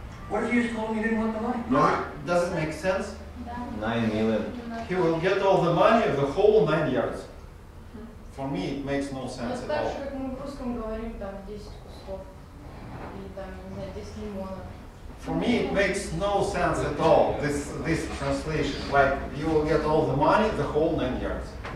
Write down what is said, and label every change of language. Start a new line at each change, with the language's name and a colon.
English: What did you just call me? You didn't want the money? No. Does it make sense? Yeah. 9 million. He will get all the money of the whole 9 yards. For me, it makes no sense at all.
Russian: Старше, как мы в русском говорим, там 10 кусков или там, не знаю, 10 лимонов.
English: For me, it makes no sense at all. This translation, like you will get all the money, the whole 9 yards.